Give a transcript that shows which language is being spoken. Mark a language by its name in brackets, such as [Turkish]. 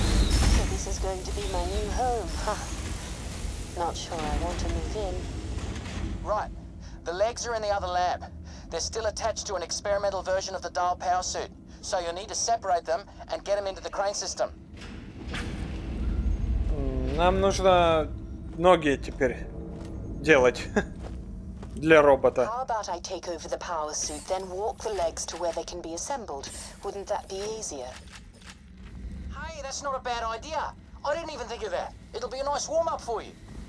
[English] So this is going to be my new home, huh? Not sure I want to move in. Right. The legs are in the other lab. They're still attached to an experimental version of the dial power suit. So you'll need to separate them and get them into the crane system. [Russian] Нам нужно ноги теперь делать для робота. [English] How about I take over the power suit, then walk the legs to where they can be assembled? Wouldn't that be easier? Hey, that's not a bad idea. I didn't even think of that. It'll be a nice warm-up for you.